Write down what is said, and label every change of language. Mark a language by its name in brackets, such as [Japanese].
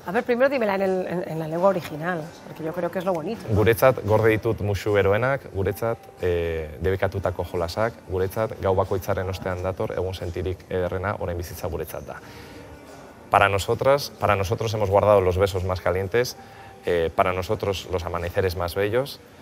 [Spanish] A ver, primero dímela en la lengua original, porque yo creo que es lo bonito. ¿No? [Basque] Guretzat gorde ditut musu beroenak, guretzat debekatutako jolasak, guretzat gau bakoitzaren ostean dator, egun sentirik ederrena, orain bizitza guretzat da. [Spanish] Para nosotros hemos guardado los besos más calientes, para nosotros los amaneceres más bellos.